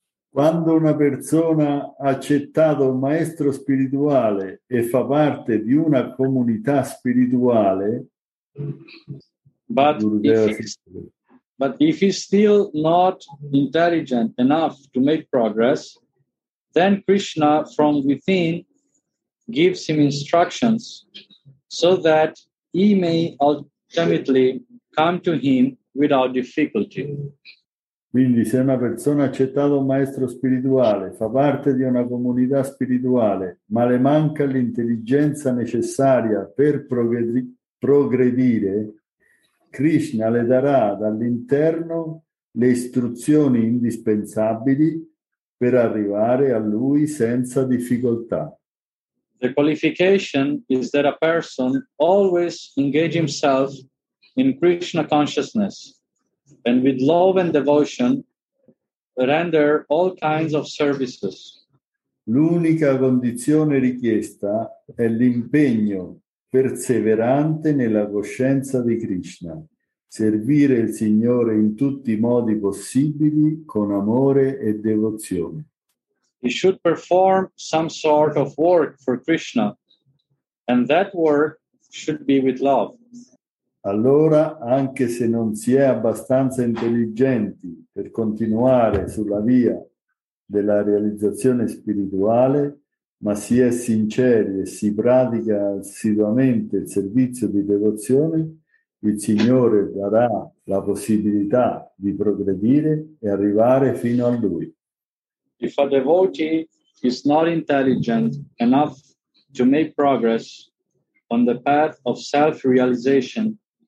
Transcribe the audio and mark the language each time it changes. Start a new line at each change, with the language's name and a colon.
Italian: Quando una persona ha accettato un maestro spirituale e fa parte di una comunità spirituale,
English: but if he's still not intelligent enough to make progress, then Krishna from within gives him instructions so that he may ultimately come to him without difficulty.
Italian: Quindi se una persona ha accettato un maestro spirituale, fa parte di una comunità spirituale, ma le manca l'intelligenza necessaria per progredire, Krishna le darà dall'interno le istruzioni indispensabili per arrivare a lui senza difficoltà.
English: The qualification is that a person always engage himself in Krishna consciousness and with love and devotion render all kinds of services.
Italian: L'unica condizione richiesta è l'impegno perseverante nella coscienza di Krishna, servire il Signore in tutti i modi possibili con amore e devozione.
English: He should perform some sort of work for Krishna, and that work should be with love.
Italian: Allora, anche se non si è abbastanza intelligenti per continuare sulla via della realizzazione spirituale, ma si è sinceri e si pratica assiduamente il servizio di devozione, il Signore darà la possibilità di progredire e arrivare fino a Lui.
English: If a devotee is not intelligent enough to make progress on the path of self-realization,